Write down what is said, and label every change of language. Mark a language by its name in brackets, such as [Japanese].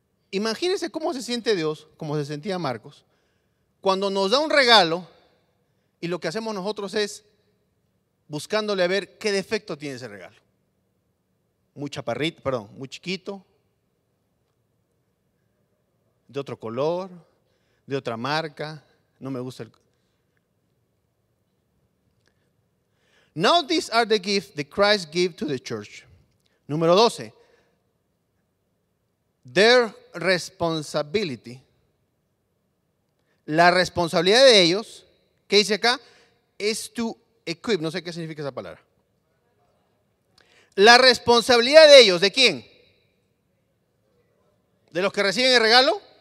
[Spanish] Imagínense cómo se siente Dios, como se sentía Marcos, cuando nos da un regalo y lo que hacemos nosotros es buscándole a ver qué defecto tiene ese regalo. Muy chiquito, de otro color, de otra marca, no me gusta el. [English] Now these are the gifts that Christ gave to the church. [Spanish] Número 12, [English] their responsibility. [Spanish] La responsabilidad de ellos, ¿qué dice acá? Es to equip, no sé qué significa esa palabra. La responsabilidad de ellos, ¿de quién? ¿De los que reciben el regalo?